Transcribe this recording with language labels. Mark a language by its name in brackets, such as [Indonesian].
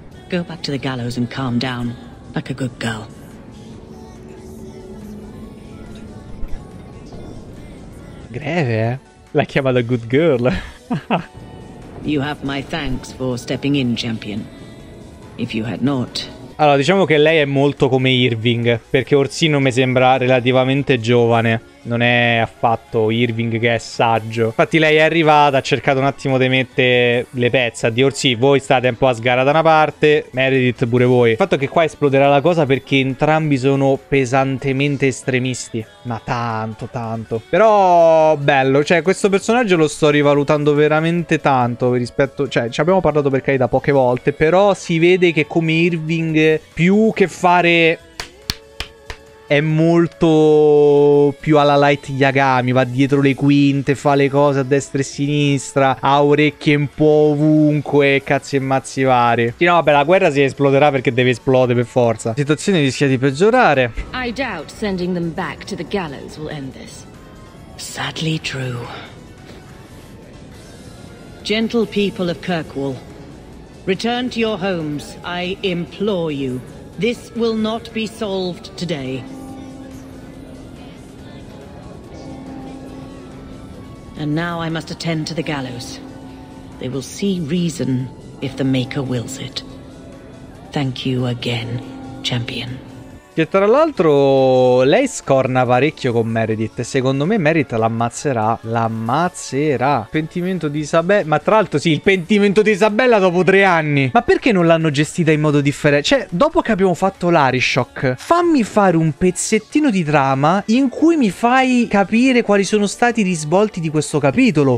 [English] Go back to the gallows and calm down, like a good girl. [Italian] Greve, eh? L'ha chiamata [English] good girl. You have my thanks for stepping in, champion. If you had not... [Italian] Allora, diciamo che lei è molto come Irving, perché Orsino mi sembra relativamente giovane. Non è affatto Irving che è saggio. Infatti lei è arrivata, ha cercato un attimo di mettere le pezze. Di Orsì, voi state un po' a sgara da una parte, Meredith pure voi. Il fatto è che qua esploderà la cosa perché entrambi sono pesantemente estremisti. Ma tanto, tanto. Però bello, cioè questo personaggio lo sto rivalutando veramente tanto rispetto... Cioè ci abbiamo parlato per carità poche volte, però si vede che come Irving più che fare... È molto più alla Light Yagami, va dietro le quinte, fa le cose a destra e sinistra, ha orecchie un po' ovunque, cazzi e mazzi vari. Sì, no, vabbè, la guerra si esploderà perché deve esplodere per forza. La situazione rischia di peggiorare. [English] I doubt sending them back to the gallows will end this. Sadly true. Gentle people of Kirkwall, return to your homes, I implore you. This will not be solved today. And now I must attend to the gallows. They will see reason if the Maker wills it. Thank you again, champion. [Italian] Che tra l'altro lei scorna parecchio con Meredith. Secondo me Meredith l'ammazzerà. L'ammazzerà. Pentimento di Isabella. Ma tra l'altro sì, il pentimento di Isabella dopo 3 anni. Ma perché non l'hanno gestita in modo differente? Cioè, dopo che abbiamo fatto l'Arishock, fammi fare un pezzettino di trama in cui mi fai capire quali sono stati i risvolti di questo capitolo.